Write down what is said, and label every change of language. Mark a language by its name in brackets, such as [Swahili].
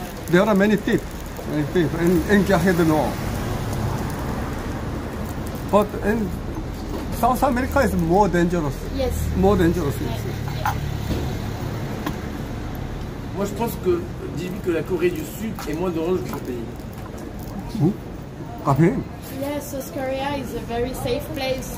[English] There are many thieves in Gare du Nord. But in South America it's more dangerous. Yes. More dangerous. Yes. [French] Moi je pense que dis-lui que la Corée du Sud est moins dangereuse que ce pays. Où? Café? [English] Yes, South Korea is a very safe place.